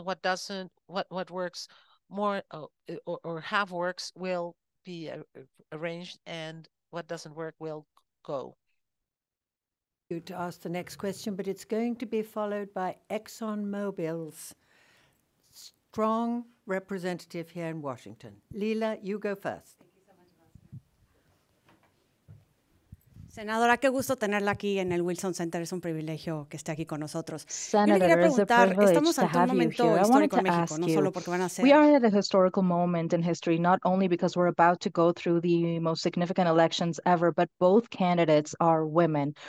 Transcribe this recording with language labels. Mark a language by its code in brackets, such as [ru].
[en] What doesn't, what works more or have works will be arranged, and what doesn't work will go. You to ask the next question, but it's going to be followed by ExxonMobil's strong representative here in Washington. Lila, you go first. [es] Senadora, qué gusto tenerla aquí en el Wilson Center. Es un privilegio que esté aquí con nosotros. [en] Senator, it's a privilege to have you here. I wanted to ask you, we are at a historical moment in history, not only because we're about to go through the most significant elections ever, but both candidates are women.